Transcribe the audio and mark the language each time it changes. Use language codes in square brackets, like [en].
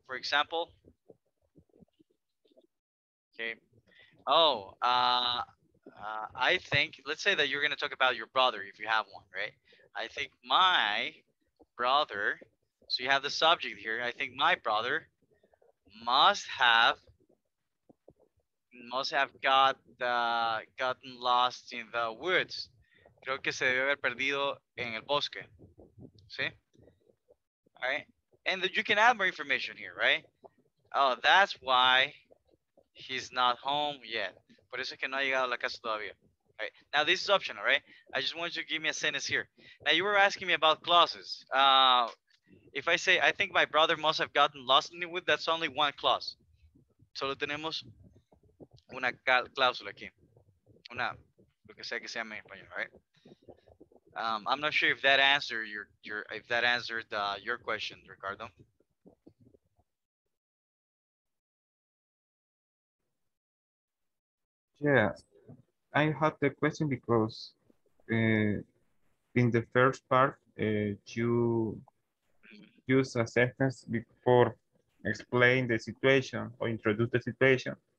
[en] For example, I think, let's say that you're gonna talk about your brother, if you have one, right? I think my brother, so you have the subject here, I think my brother must have gotten lost in the woods. [es] Creo que se debe haber perdido en el bosque. [en] See? All right. And you can add more information here, right? Oh, that's why he's not home yet. [es] Por eso que no ha llegado a la casa todavía. [en] All right. Now, this is optional, right? I just want you to give me a sentence here. Now, you were asking me about clauses. If I say, I think my brother must have gotten lost in the woods, that's only one clause. [es] Solo tenemos una cláusula aquí. Una, lo que sea que se llame en español, right? [en] I'm not sure if that answered your question, Ricardo. Yeah, I have the question because in the first part, you use a sentence before explain the situation or introduce the situation.